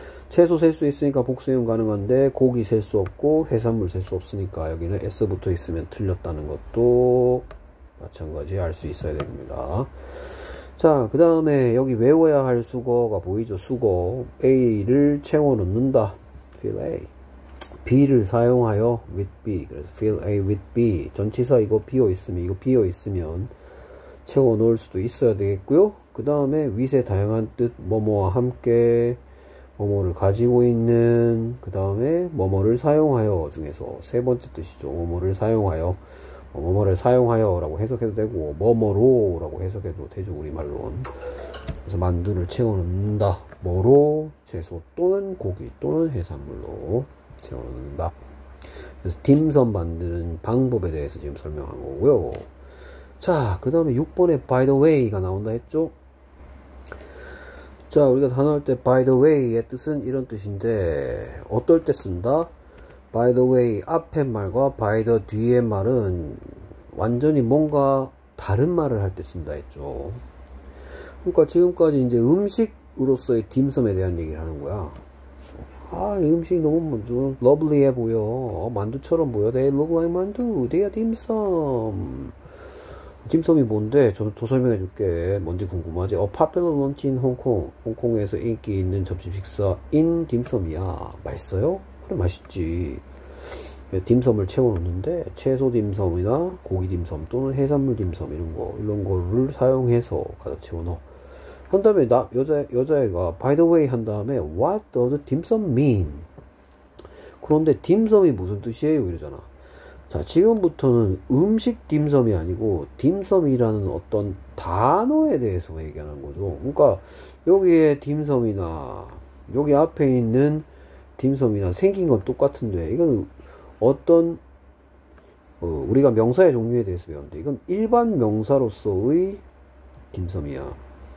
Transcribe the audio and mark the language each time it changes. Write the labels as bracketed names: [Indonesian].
[Korean] 채소 셀수 있으니까 복수형 가능한데 고기 셀수 없고 해산물 셀수 없으니까 여기는 S부터 있으면 틀렸다는 것도 마찬가지 알수 있어야 됩니다. 자, 그 다음에 여기 외워야 할 수거가 보이죠? 수거 A를 채워넣는다. [English] Fill A. [Korean] B를 사용하여 [English] with B. [Korean] 그래서 [English] Fill A with B. [Korean] 전치사 이거 비어 있으면 채워넣을 수도 있어야 되겠고요. 그 다음에 with의 다양한 뜻 뭐뭐와 함께 뭐뭐를 가지고 있는 그 다음에 뭐뭐를 사용하여 중에서 세 번째 뜻이죠. 뭐뭐를 사용하여 뭐뭐를 사용하여라고 해석해도 되고 뭐뭐로라고 해석해도 되죠. 우리말로는 그래서 만두를 채워넣는다. 뭐로 채소 또는 고기 또는 해산물로 채워넣는다. 그래서 딤섬 만드는 방법에 대해서 지금 설명한 거고요. 자, 그 다음에 6번에 by the way가 나온다 했죠. 자, 우리가 단어할 때 by the way의 뜻은 이런 뜻인데 어떨 때 쓴다? by the way 앞에 말과 by the 뒤에 말은 완전히 뭔가 다른 말을 할때 쓴다 했죠. 그러니까 지금까지 이제 음식으로서의 딤섬에 대한 얘기를 하는 거야. 아, 이 음식 너무 러블리해 보여. 만두처럼 보여. [English] They look like 만두. They are [Korean] 딤섬. 딤섬이 뭔데? 저더 설명해 줄게. 뭔지 궁금하지? [English] A popular lunch in Hong Kong. [Korean] 홍콩에서 인기 있는 점심 식사 in 딤섬이야. 맛있어요? 그래, 맛있지. 딤섬을 채워놓는데, 채소 딤섬이나 고기 딤섬 또는 해산물 딤섬 이런 거를 사용해서 가득 채워넣어. 한 다음에 나 여자애가 by the way 한 다음에 [English] what does dimsum mean? [Korean] 그런데 딤섬이 무슨 뜻이에요? 이러잖아. 자, 지금부터는 음식 딤섬이 아니고 딤섬이라는 어떤 단어에 대해서 얘기하는 거죠. 그러니까 여기에 딤섬이나 여기 앞에 있는 딤섬이나 생긴 건 똑같은데 이건 어떤 우리가 명사의 종류에 대해서 배웠는데 이건 일반 명사로서의 딤섬이야.